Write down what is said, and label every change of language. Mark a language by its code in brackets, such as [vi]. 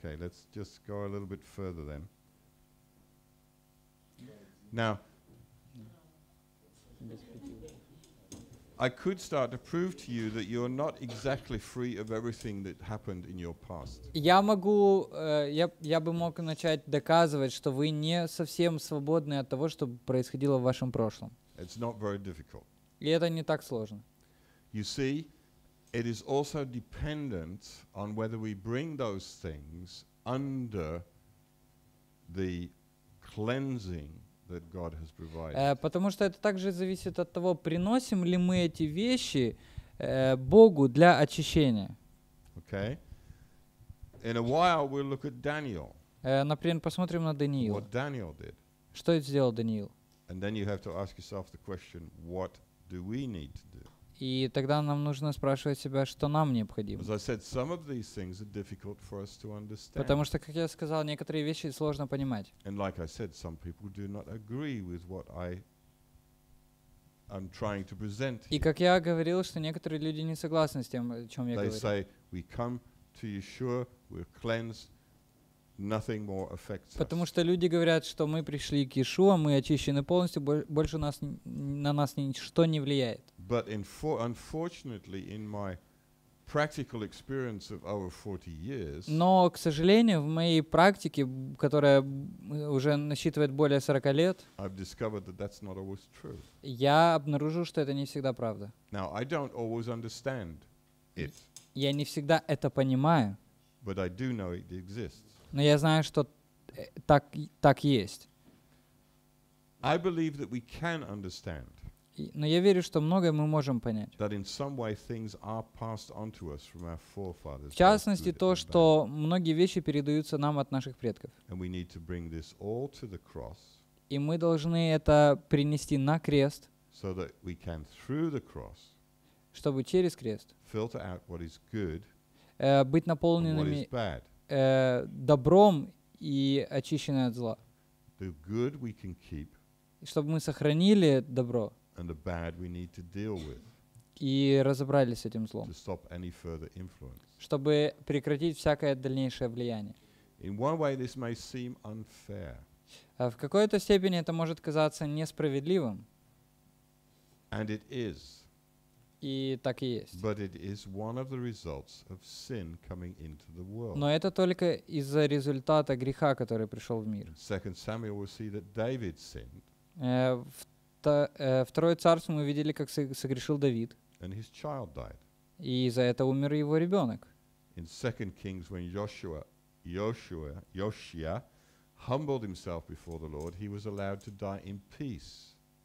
[en] Okay, let's just go a little bit further then. Now, I could start to prove to you that you're not exactly free of everything that happened in your past. [ru] Я могу, я бы мог начать доказывать, что вы не совсем свободны от того, что происходило в вашем прошлом. [en] It's not very difficult. [ru] И это не так сложно. [en] You see, it is also dependent on whether we bring those things under the cleansing that God has provided. [ru] Потому что это также зависит от того, приносим ли мы эти вещи Богу для очищения. [en] Okay. In a while we'll look at Daniel. [ru] Например, посмотрим на Даниила. [en] What Daniel did. [ru] Что сделал Даниил? [en] And then you have to ask yourself the question, what do we need to do? [ru] И тогда нам нужно спрашивать себя, что нам необходимо. [en] As I said, some of these things are difficult for us to understand. [ru] Потому что, как я сказал, некоторые вещи сложно понимать. [en] And like I said, some people do not agree with what I am trying to present here. [ru] И как я говорил, что некоторые люди не согласны с тем, о чем я [en] They [ru] говорю. [en] Say, we come to Yeshua, we're cleansed, nothing more affects us. [ru] Потому что люди говорят, что мы пришли к Иешуа, мы очищены полностью, больше нас, на нас ничто не влияет. [en] But unfortunately, in my practical experience of over 40 years. [ru] Но, к сожалению, в моей практике, которая уже насчитывает более 40 лет, [en] I've discovered that that's not always true. [ru] Я обнаружил, что это не всегда правда. [en] Now, I don't always understand it. [ru] Я не всегда это понимаю. [en] But I do know it exists. [ru] Но я знаю, что так есть. [en] I believe that we can understand. [ru] Но я верю, что многое мы можем понять. [en] That in some way things are passed on to us from our forefathers. [ru] В частности, то, что многие вещи передаются нам от наших предков. [en] And we need to bring this all to the cross. [ru] И мы должны это принести на крест. [en] So that we can through the cross. [ru] Чтобы через крест. [en] Filter out what is good. [ru] Быть наполненными [en] what is bad. [ru] Добром и очищенные от зла. [en] The good we can keep. [ru] Чтобы мы сохранили добро. [en] And the bad we need to deal with. [ru] И разобрались с этим злом. [en] To stop any further influence. [ru] Чтобы прекратить всякое дальнейшее влияние. [en] In one way this may seem unfair. [ru] В какой-то степени это может казаться несправедливым. [en] And it is. [ru] И так и есть. [en] But it is one of the results of sin coming into the world. [ru] Но это только из-за результата греха, который пришел в мир. [en] Second Samuel we see that David sinned. [ru] Второе царство мы видели, как согрешил Давид. [en] And his child died. [ru] И из-за этого умер его ребенок. [en] In 2 Kings, when Josiah humbled himself before the Lord, he was allowed to die in peace.